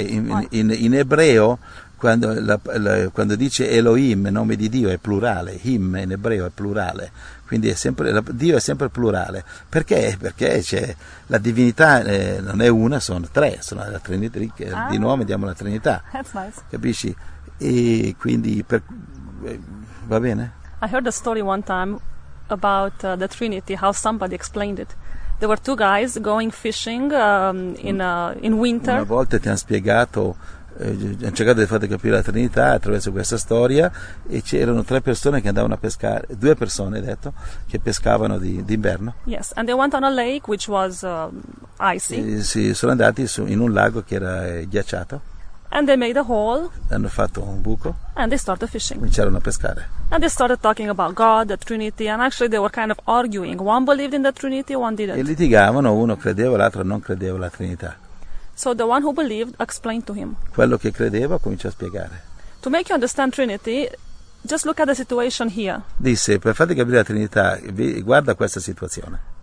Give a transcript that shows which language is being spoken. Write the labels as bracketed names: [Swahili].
[Italian] In ebreo, quando, quando dice Elohim, nome di Dio, è plurale. Him in ebreo è plurale. Quindi è sempre, Dio è sempre plurale. Perché? Perché c'è la divinità non è una, sono tre, sono la Trinità, di nome diamo la Trinità. [English] That's nice. [Italian] Capisci? E quindi va bene? [English] I heard a story one time about the Trinity, how somebody explained it. There were two guys going fishing in winter. [Italian] Una volta ti hanno spiegato, hanno cercato di farti capire la Trinità attraverso questa storia, e c'erano tre persone che andavano a pescare, due persone hai detto, che pescavano d'inverno. [English] Yes, and they went on a lake which was icy. [Italian] Sì, sono andati in un lago che era ghiacciato. [English] And they made a hole. [Italian] Hanno fatto un buco. [English] And they started fishing. [Italian] Cominciarono a pescare. [English] And they started talking about God, the Trinity, and actually they were kind of arguing. One believed in the Trinity, one didn't. [Italian] E litigavano, uno credeva, l'altro non credeva la Trinità. [English] So the one who believed explained to him. [Italian] Quello che credeva cominciò a spiegare. [English] To make you understand Trinity, just look at the situation here. [Italian] Disse, per farti capire la Trinità, guarda questa situazione.